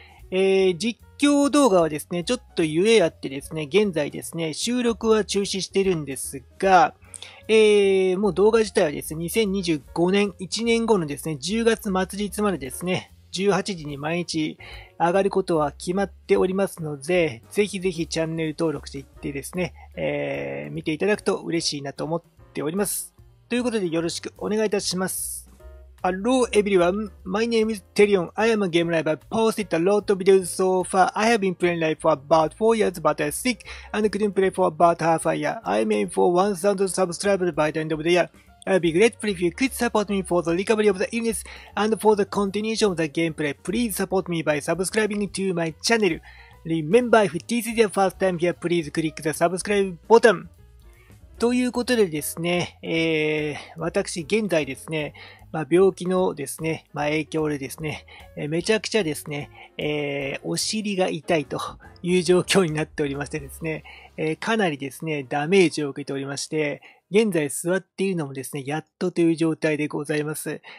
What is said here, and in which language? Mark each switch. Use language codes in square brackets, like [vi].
[ja] 実況動画はですね、ちょっとゆえあってですね、現在ですね、収録は中止してるんですが、もう動画自体はですね、2025年、1年後のですね、10月末日までですね、18時に毎日上がることは決まっておりますので、ぜひぜひチャンネル登録していってですね、見ていただくと嬉しいなと思っております。ということでよろしくお願いいたします。 [en] Hello everyone, my name is Terion. I am a game writer. Posted a lot of videos so far. I have been playing live for about 4 years but I'm sick and couldn't play for about half a year. I'm aiming for 1000 subscribers by the end of the year. I'll be grateful if you could support me for the recovery of the illness and for the continuation of the gameplay. Please support me by subscribing to my channel. Remember, if this is your first time here, please click the subscribe button. [ja] ということでですね、私現在ですね、まあ、病気のですね、まあ、影響でですね、めちゃくちゃですね、お尻が痛いという状況になっておりましてですね、かなりですね、ダメージを受けておりまして、現在座っているのもですね、やっとという状態でございます。